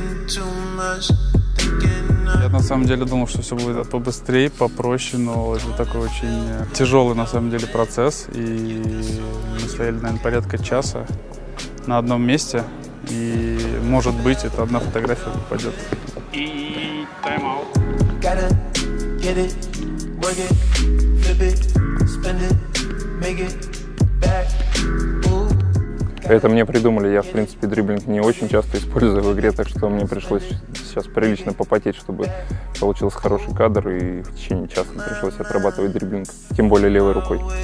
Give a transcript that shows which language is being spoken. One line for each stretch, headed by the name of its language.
Russian: Я на самом деле думал, что все будет побыстрее, попроще, но это такой очень тяжелый на самом деле процесс. И мы стояли, наверное, порядка часа на одном месте. И, может быть, это одна фотография попадет. И тайм-аут.
English: Gotta get it, work it, flip it, spend it, make it back.
Russian: Это мне придумали, я, в принципе, дриблинг не очень часто использую в игре, так что мне пришлось сейчас прилично попотеть, чтобы получился хороший кадр, и в течение часа пришлось отрабатывать дриблинг, тем более левой рукой.